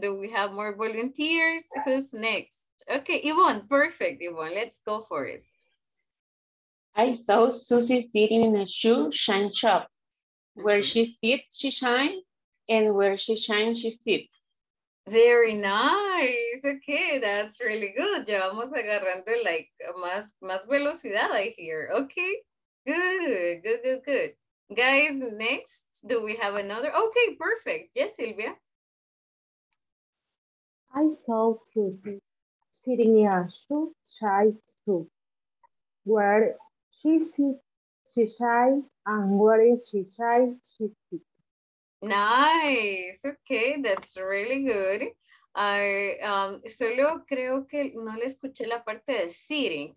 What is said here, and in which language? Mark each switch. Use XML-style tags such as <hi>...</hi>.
<en>Do we have more volunteers? Who's next? Okay, Yvonne, perfect. Yvonne, let's go for it. I saw Susie sitting in a shoe shine shop. Where she sits, she shines, and where she shines, she sits. Very nice. Okay, that's really good.</en> <es>Ya vamos agarrando like más velocidad</es> <en>I hear. Okay, good. Guys, next, do we have another? Okay, perfect. Yes, Silvia. I saw Susie sitting in a chai shop where she sits, she shines, and where she shines, she sits. Nice, okay, that's really good.</en> <es>Solo creo que no le escuché la parte de sitting.</es>